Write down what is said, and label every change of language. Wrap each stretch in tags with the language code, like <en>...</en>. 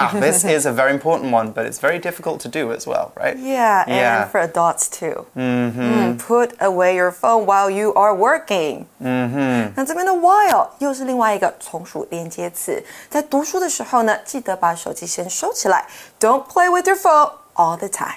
<en>This is a very important one, but it's very difficult to do as well, right? Yeah. And for adults too. Put away your phone while you are working.</en> <zh>那这边的 while 又是另外一个从属连接词。在读书的时候呢，记得把手机先收起来。</zh> <en>Don't play with your phone all the time.</en>